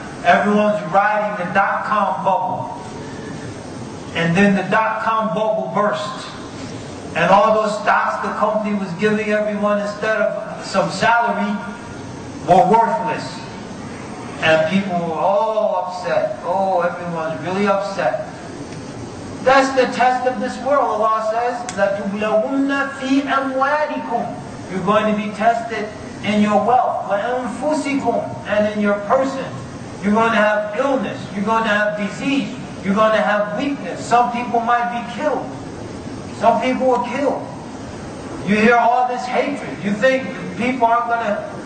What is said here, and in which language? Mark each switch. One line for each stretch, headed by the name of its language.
English: Everyone's riding the dot-com bubble. And then the dot-com bubble burst. And all those stocks the company was giving everyone instead of some salary were worthless. And people were all upset. Oh, everyone's really upset. That's the test of this world. Allah says,
Arabic: لَتُبْلَغُنَّ فِي أَمْوَالِكُمْ.
English: You're going to be tested in your wealth.
Arabic: وَأَنفُسِكُمْ.
English: And in your person. You're going to have illness. You're going to have disease. You're going to have weakness. Some people might be killed. Some people were killed. You hear all this hatred. You think people aren't going to...